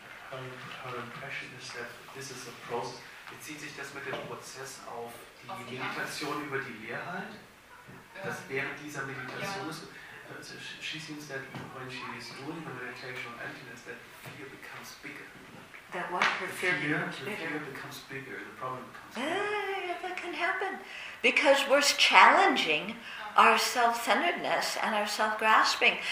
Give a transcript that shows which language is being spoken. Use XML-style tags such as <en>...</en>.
<en>Her impression is that this is a process.</en> <de>Bezieht sich das mit dem Prozess auf die Meditation über die Leerheit? Dass während dieser Meditation</de> <en>she seems that when she is doing the meditation on emptiness, that fear becomes bigger. That what? Her fear becomes bigger. The fear becomes bigger. The problem becomes bigger. That can happen. Because we're challenging our self-centeredness and our self-grasping.</en>